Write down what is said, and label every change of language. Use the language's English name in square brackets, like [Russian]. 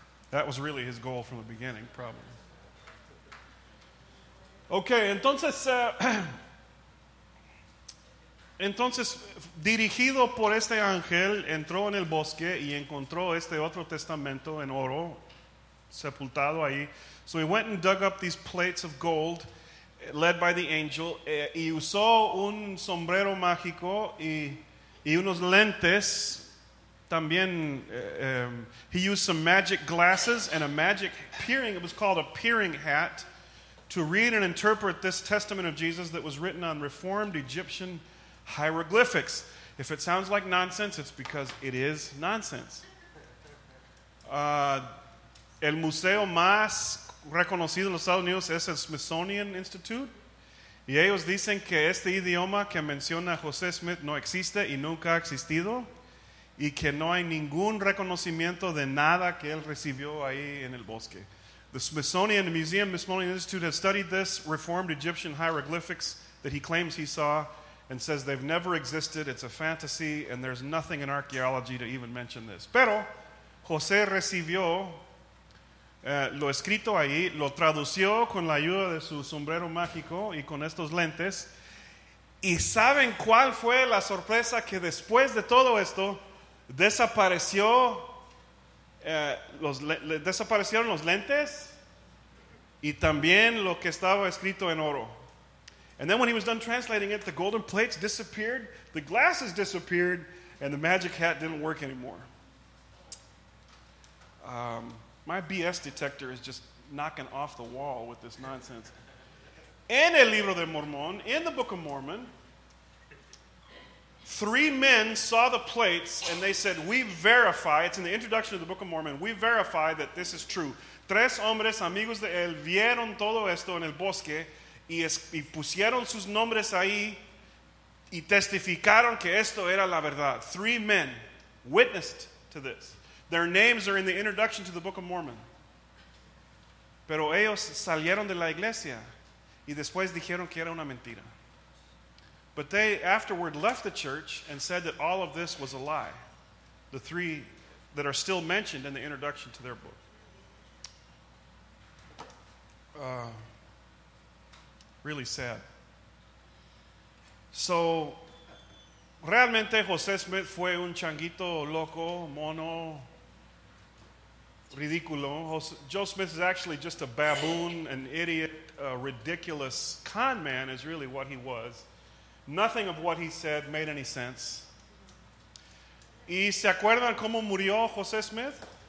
[English] That was really his goal from the beginning, probably. [Spanish] Okay, entonces, dirigido por este ángel, entró en el bosque y encontró este otro testamento en oro, sepultado ahí. [English] So he went and dug up these plates of gold, led by the angel, [Spanish] y usó un sombrero mágico y unos lentes. [English] También, he used some magic glasses and a magic peering, it was called a peering hat, to read and interpret this testament of Jesus that was written on Reformed Egyptian hieroglyphics. If it sounds like nonsense, it's because it is nonsense. [Spanish] El museo más reconocido en los Estados Unidos es el Smithsonian Institute. Y ellos dicen que este idioma que menciona José Smith no existe y nunca ha existido. Y que no hay ningún reconocimiento de nada que él recibió ahí en el bosque. [English] The Smithsonian Museum, Smithsonian Institute, has studied this reformed Egyptian hieroglyphics that he claims he saw and says they've never existed, it's a fantasy, and there's nothing in archaeology to even mention this. [Spanish] Pero José recibió lo escrito ahí, lo tradució con la ayuda de su sombrero mágico y con estos lentes. ¿Y saben cuál fue la sorpresa? Que después de todo esto, desaparecieron los lentes y también lo que estaba escrito en oro. [English] And then when he was done translating it, the golden plates disappeared, the glasses disappeared, and the magic hat didn't work anymore. My BS detector is just knocking off the wall with this nonsense. [Spanish] En el libro de Mormón, [English] in the Book of Mormon, three men saw the plates and they said, we verify, it's in the introduction of the Book of Mormon, we verify that this is true. [Spanish] Tres hombres amigos de él vieron todo esto en el bosque y pusieron sus nombres ahí y testificaron que esto era la verdad. [English] Three men witnessed to this. Their names are in the introduction to the Book of Mormon. [Spanish] Pero ellos salieron de la iglesia y después dijeron que era una mentira. [English] But they afterward left the church and said that all of this was a lie. The three that are still mentioned in the introduction to their book. Really sad. [Spanish] So, realmente José Smith fue un changuito loco, mono, ridículo. [English] Joe Smith is actually just a baboon, an idiot, a ridiculous con man is really what he was. Nothing of what he said made any sense. [Spanish] ¿Y se acuerdan cómo murió José Smith?